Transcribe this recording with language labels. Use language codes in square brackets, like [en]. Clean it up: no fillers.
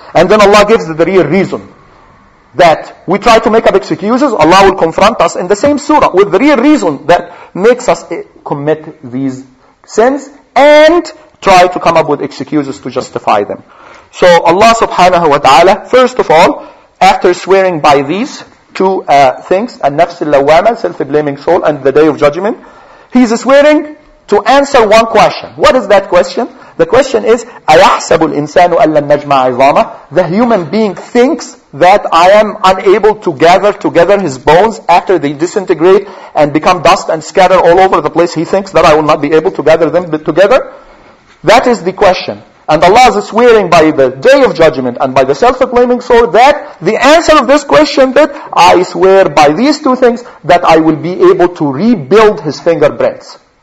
[en] And then Allah gives the real reason that we try to make up excuses, Allah will confront us in the same surah with the real reason that makes us commit these sins and try to come up with excuses to justify them. So Allah subhanahu wa ta'ala, first of all, after swearing by these two things, an-nafs al-lawwama, self-blaming soul, and the day of judgment, he's swearing to answer one question. What is that question? The question is, [ar] أَيَحْسَبُ الْإِنسَانُ أَلَّا نَجْمَعَ عِظَامَهُ. [en] The human being thinks that I am unable to gather together his bones after they disintegrate and become dust and scatter all over the place. He thinks that I will not be able to gather them together. That is the question. And Allah is swearing by the day of judgment and by the self-proclaiming soul that the answer of this question, that I swear by these two things that I will be able to rebuild his finger breadths.